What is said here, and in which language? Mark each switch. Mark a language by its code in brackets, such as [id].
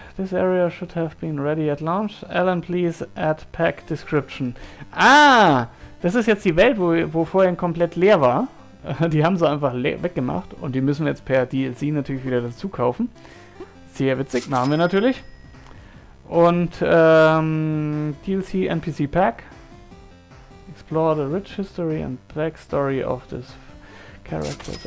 [en] This area should have been ready at launch. Alan, please add pack description. [de] Ah, das ist jetzt die Welt, wo vorhin komplett leer war. Die haben sie einfach weggemacht und die müssen wir jetzt per DLC natürlich wieder dazu kaufen. Sehr witzig, machen wir natürlich. Und DLC NPC Pack. [en] Explore the rich history and backstory of this characters.